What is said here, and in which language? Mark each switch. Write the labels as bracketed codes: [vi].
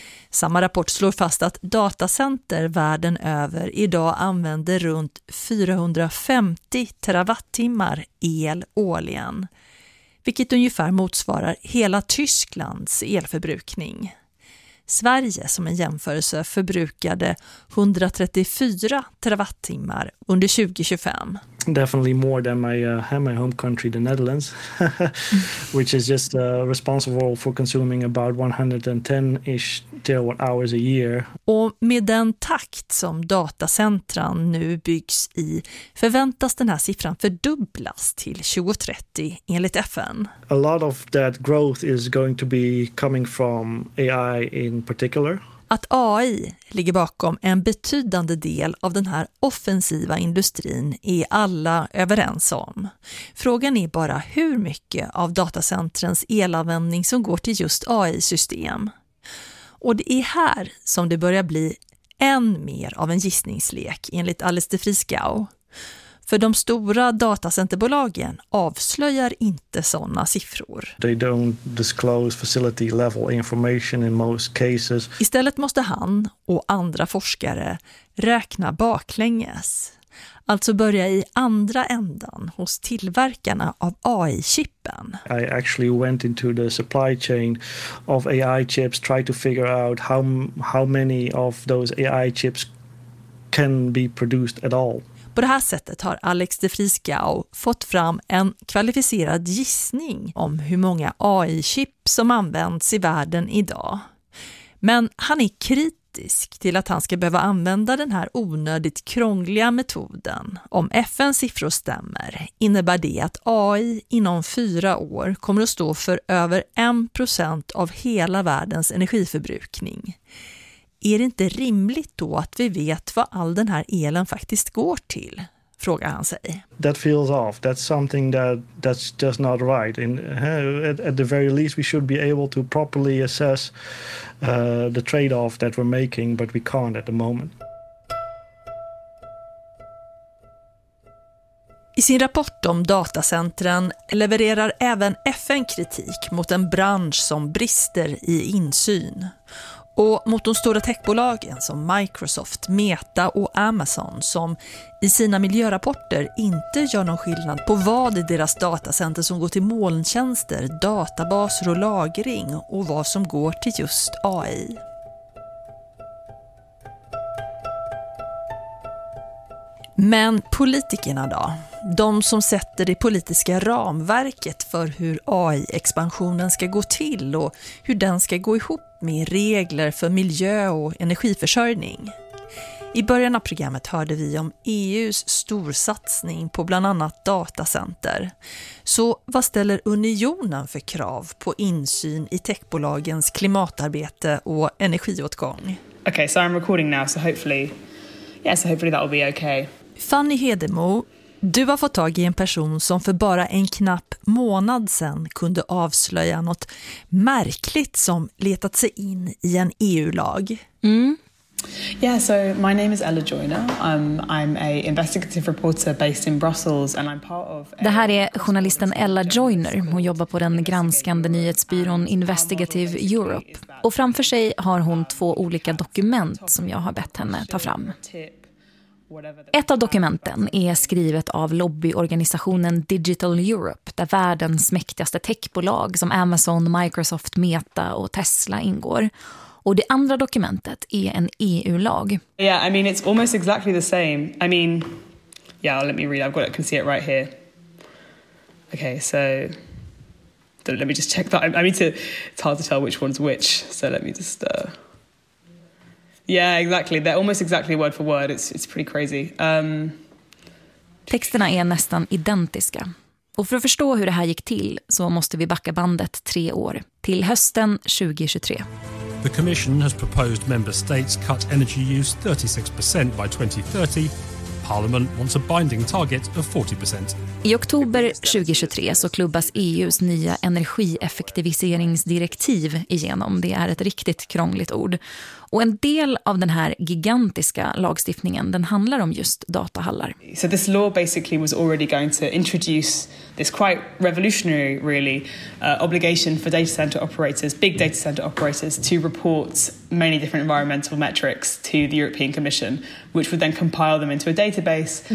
[sv] Samma rapport slår fast att datacenter världen över idag använder runt 450 terawattimmar el årligen, vilket ungefär motsvarar hela Tysklands elförbrukning. Sverige som en jämförelse förbrukade 134 terawattimmar under 2025. [en] Definitely more than my home country the Netherlands which is just responsible for consuming about 110-ish terawatt hours a year. [sv] Och med den takt som datacentran nu byggs i förväntas den här siffran fördubblas till 2030 enligt FN. [en] A lot of that growth is going to be coming from AI in particular. [sv] Att AI ligger bakom en betydande del av den här offensiva industrin är alla överens om. Frågan är bara hur mycket av datacentrens elanvändning som går till just AI-system. Och det är här som det börjar bli än mer av en gissningslek enligt Alice de Vries Gouw. För de stora datacenterbolagen avslöjar inte såna siffror. [en] They don't disclose facility level information in most cases. [sv] Istället måste han och andra forskare räkna baklänges. Alltså börja i andra ändan hos tillverkarna av AI-chippen. [en] I actually went into the supply chain of AI chips, try to figure out how many of those AI chips can be produced at all. [sv] På det här sättet har Alex de Vries Gouw fått fram en kvalificerad gissning om hur många AI-chip som används i världen idag. Men han är kritisk till att han ska behöva använda den här onödigt krångliga metoden. Om FNs siffror stämmer innebär det att AI inom 4 år kommer att stå för över 1% av hela världens energiförbrukning. Är det inte rimligt då att vi vet vad all den här elen faktiskt går till? frågar han sig. [en] That feels off. That's something that's just not right. And at the very least we should be able to properly assess the trade-off that we're making, but we can't at the moment. [sv] I sin rapport om datacentren levererar även FN kritik mot en bransch som brister i insyn och mot de stora techbolagen som Microsoft, Meta och Amazon som i sina miljörapporter inte gör någon skillnad på vad i deras datacenter som går till molntjänster, databaser och lagring och vad som går till just AI. Men politikerna då? De som sätter det politiska ramverket för hur AI-expansionen ska gå till och hur den ska gå ihop med regler för miljö och energiförsörjning. I början av programmet hörde vi om EUs storsatsning på bland annat datacenter. Så vad ställer unionen för krav på insyn i techbolagens klimatarbete och energiåtgång? [en] Okay, so I'm recording now, so hopefully that'll be okay. [sv] Fanny Hedemo, du har fått tag i en person som för bara en knapp månad sedan kunde avslöja något märkligt som letat sig in i en EU-lag. [en] Mm. Yeah, so my name is Ella Joyner. I'm a investigative reporter based in Brussels and I'm part of. [sv] Det här är journalisten Ella Joyner. Hon jobbar på den granskande nyhetsbyrån Investigative Europe. Och framför sig har hon två olika dokument som jag har bett henne ta fram. Ett av dokumenten är skrivet av lobbyorganisationen Digital Europe, där världens mäktigaste techbolag som Amazon, Microsoft, Meta och Tesla ingår. Och det andra dokumentet är en EU-lag. [en] Yeah, I mean it's almost exactly the same. I mean, yeah, let me read. I've got it. I can see it right here. Okay, so let me just check that. I mean, it's hard to tell which one's which. So let me just. Yeah, exactly. They're almost exactly word for word. It's pretty crazy. [sv] Texterna är nästan identiska. Och för att förstå hur det här gick till så måste vi backa bandet 3 år till hösten 2023. [en] The Commission has proposed member states cut energy use 36% by 2030. Parliament wants a binding target of 40%. [sv] I oktober 2023 så klubbas EU:s nya energieffektiviseringsdirektiv igenom. Det är ett riktigt krångligt ord. Och en del av den här gigantiska lagstiftningen, den handlar om just datahallar. [en] So this law basically was already going to introduce this quite revolutionary really obligation for data center operators, big data center operators to report many different environmental metrics to the European Commission, which would then compile them into a database.